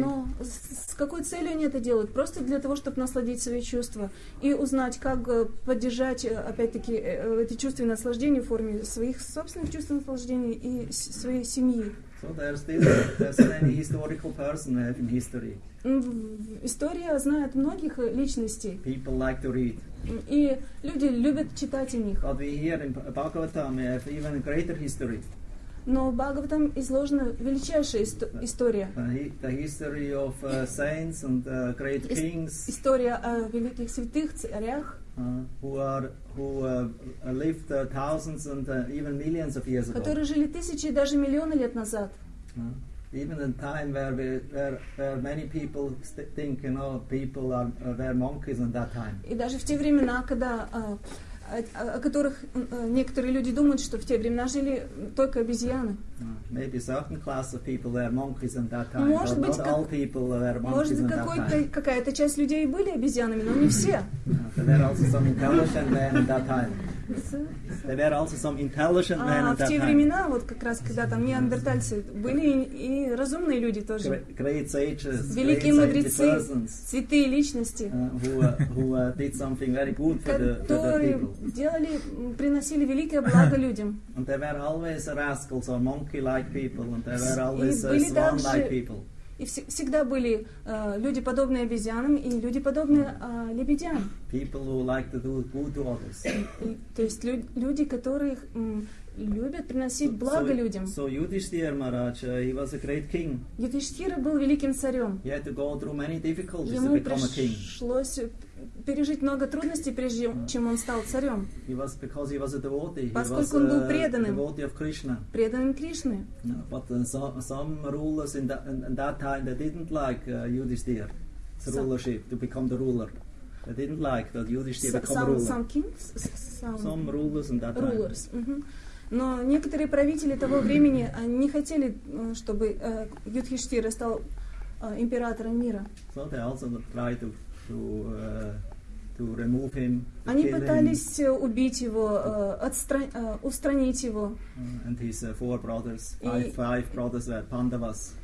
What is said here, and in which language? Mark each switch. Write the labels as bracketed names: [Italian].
[Russian] Но с какой целью они это делают? Просто для того, чтобы насладить свои чувства и узнать, как поддержать, опять-таки, эти чувства и наслаждения в форме своих собственных чувств наслаждения и своей семьи. [English] So there's many historical persons in history. [Russian] История знает многих личностей. [English] People like to read. [Russian] И люди любят читать о них. [English] But we hear in Bhagavatam have even greater history. [Russian] Но в Бхагаватам изложена величайшая история. [English] The history of saints and great kings. [Russian] История о великих святых царях. [English] Who lived thousands and even millions of years ago. [Russian] Которые жили тысячи и даже миллионы лет назад. [English] Even in time where many people think, you know, people were monkeys in that time. [Russian] И даже в те времена, когда о которых некоторые люди думают, что в те времена жили только обезьяны. [English] Maybe certain class of people were monkeys in that time, [Russian] может [English] but not [Russian] как... [English] all people were monkeys [Russian] может, [English] in that time. [Russian] Может быть, какая-то часть людей и были обезьянами, но не все. [English] There were also some intelligent men in that time. There were also some intelligent men in that time. [Russian] В те времена, вот как раз, когда там неандертальцы были и разумные люди тоже. [English] Great sages, [Russian] великие мудрецы, святые личности. [English] Who did something very good for the people. [Russian] Делали, приносили великое благо людям. [English] And there were always rascals or monkey-like people, and there were always swan-like people. [Russian] И всегда были люди, подобные обезьянам, и люди, подобные лебедям. [English] People who like to do good to others. [Russian] То есть люди, которые любят приносить благо людям. [English] So Yudhishthir Maharaj, he was a great king. [Russian] Yudhishthira был великим царем. [English] He had to go through many difficulties to become a king. [Russian] Ему пришлось пережить много трудностей, прежде чем он стал царем. [English] He was, because he was a devotee. [Russian] Поскольку он был преданным. [English] Devotee of Krishna. [Russian] Преданным Кришны. [English] But some rulers in that time, they didn't like Yudhishthira's rulership to become the ruler. They didn't like that Yudhishthira become ruler. Some kings? Some rulers in that time. Rulers. [Russian] Но некоторые правители того времени не хотели, чтобы Юдхиштхира стал императором мира. [English] So they also tried to remove him. [Russian] Они пытались убить его, устранить его. [English] And his four brothers, five brothers were Pandavas.